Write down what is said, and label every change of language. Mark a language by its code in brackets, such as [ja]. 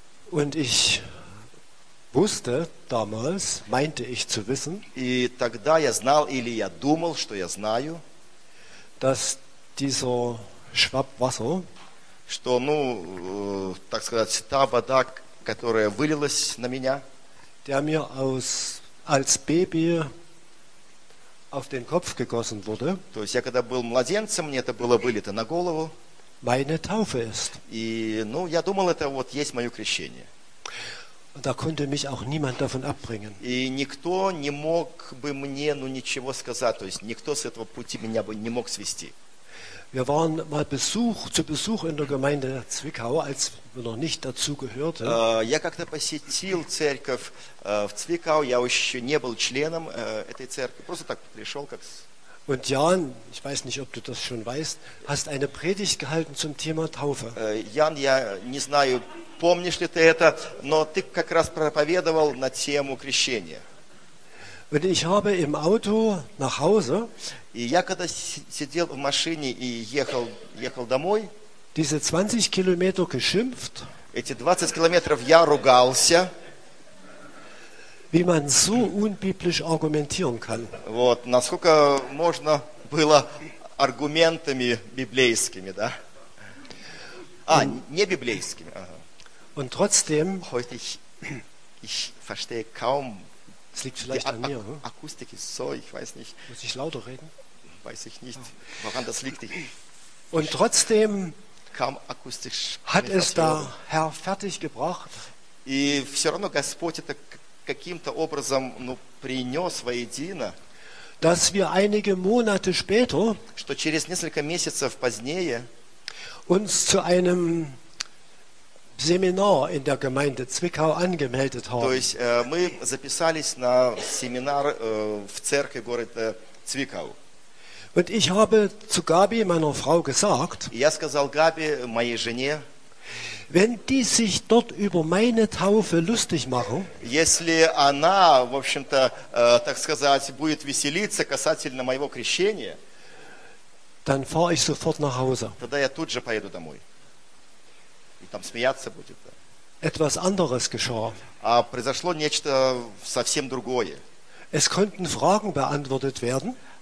[de] Und ich wusste damals, meinte ich zu wissen, [ru] и тогда я знал или я думал, что я знаю, [de] dass dieser Schwappwasser, [ru] что, ну, так сказать, та вода, которая вылилась на меня, [de] der mir als Baby auf den Kopf gegossen wurde, [ru] то есть я когда был младенцем, мне это было вылито на голову, [de] meine Taufe ist. [ru] И, ну, я думал, это вот есть мое крещение. [de] Und da konnte mich auch niemand davon abbringen. [ru] И никто не мог бы мне, ну, ничего сказать, то есть никто с этого пути меня бы не мог свести. [de] Wir waren mal zu Besuch in der Gemeinde Zwickau, als wir noch nicht dazu gehörten. [ru] Я как-то посетил церковь в Цвикау, я еще не был членом этой церкви, просто так пришел, как... [de] Und Jan, ich weiß nicht, ob du das schon weißt, hast eine Predigt gehalten zum Thema Taufe. [ru] Jan, я не знаю, помнишь ли ты это, но ты как раз проповедовал на тему крещения. [de] Und ich habe im Auto nach Hause, [ru] и я когда сидел в машине и ехал домой, [de] diese 20 Kilometer geschimpft, [ru] эти 20 километров я ругался, [de] wie man so unbiblisch argumentieren kann. [ru] Вот, насколько можно было аргументами библейскими, да? Не библейскими. [de] Und trotzdem, heute ich verstehe kaum. Es liegt vielleicht an mir. Akustik ist so, ich weiß nicht. Muss ich lauter reden? Weiß ich nicht, woran das liegt. Und trotzdem kam akustisch. Hat es der Herr fertig gebracht? [ru] И все равно Господь это каким-то образом, ну, принес воедино, [de] dass wir einige Monate später, [ru] что через несколько месяцев позднее, [de] uns zu einem Seminar in der Gemeinde Zwickau angemeldet haben. [ru] То есть мы записались на семинар в церкви города Цвикау. [de] Und ich habe zu Gabi, meiner Frau, gesagt, [ru] я сказал Габи, моей жене, [de] wenn die sich dort über meine Taufe lustig machen, [ru] если она, в общем-то, так сказать, будет веселиться касательно моего крещения, [de] dann fahre ich sofort nach Hause. [ru] Тогда я тут же поеду домой. И там смеяться будет. [de] Etwas anderes geschah. [ru] А произошло нечто совсем другое. [de] Es konnten Fragen beantwortet werden.